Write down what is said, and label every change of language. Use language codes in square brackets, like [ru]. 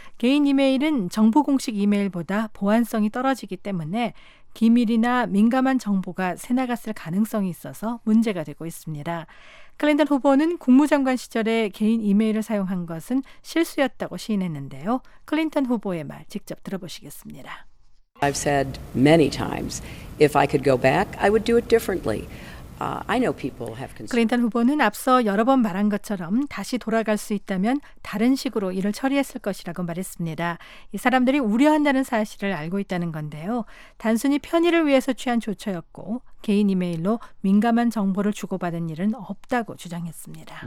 [ko] 개인 이메일은 정부 공식 이메일보다 보안성이 떨어지기 때문에 기밀이나 민감한 정보가 새나갔을 가능성이 있어서 문제가 되고 있습니다. 클린턴 후보는 국무장관 시절에 개인 이메일을 사용한 것은 실수였다고 시인했는데요. 클린턴 후보의 말 직접 들어보시겠습니다. [en] I've said many times, if I could go back, I would do it differently. I know people have concerns. [ko] 클린턴 후보는 앞서 여러 번 말한 것처럼 다시 돌아갈 수 있다면 다른 식으로 일을 처리했을 것이라고 말했습니다. 이 사람들이 우려한다는 사실을 알고 있다는 건데요. 단순히 편의를 위해서 취한 조처였고 개인 이메일로 민감한 정보를 주고받은 일은 없다고 주장했습니다.